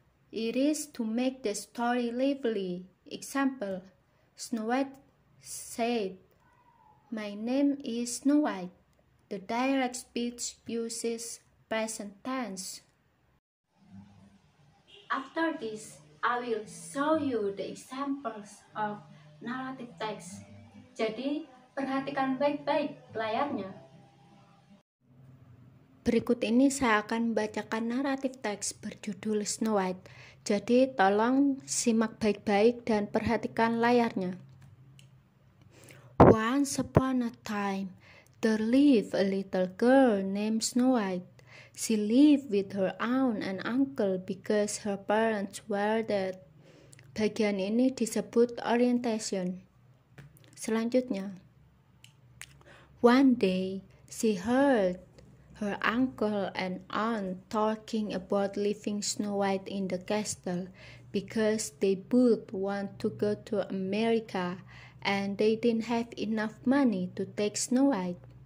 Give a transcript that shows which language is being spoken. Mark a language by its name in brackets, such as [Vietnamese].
[English] It is to make the story lively. Example, Snow White said, "My name is Snow White." The direct speech uses present tense. After this, I will show you the examples of narrative text. [Indonesian] Jadi, perhatikan baik-baik layarnya. Berikut ini saya akan membacakan naratif teks berjudul Snow White. Jadi tolong simak baik-baik dan perhatikan layarnya. [English] Once upon a time, there lived a little girl named Snow White. She lived with her aunt and uncle because her parents were dead. [Indonesian] Bagian ini disebut orientation. Selanjutnya. [English] One day, she heard her uncle and aunt talking about leaving Snow White in the castle because they both want to go to America and they didn't have enough money to take Snow White.